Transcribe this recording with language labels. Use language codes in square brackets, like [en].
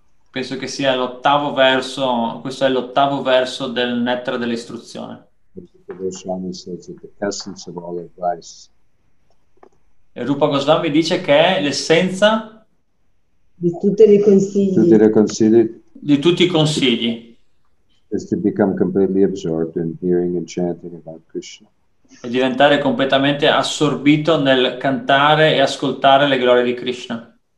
[it] Penso che sia l'ottavo verso, questo è l'ottavo verso del Nectar dell'Istruzione. [en] Swami says that the essence of all advice. [it] E Rupa Goswami dice che è l'essenza di tutte le consigli. Tutte le consigli. Di tutti i consigli. [en] Is to become completely absorbed in hearing and chanting about Krishna. [it] E diventare completamente assorbito nel cantare e ascoltare le glorie di Krishna.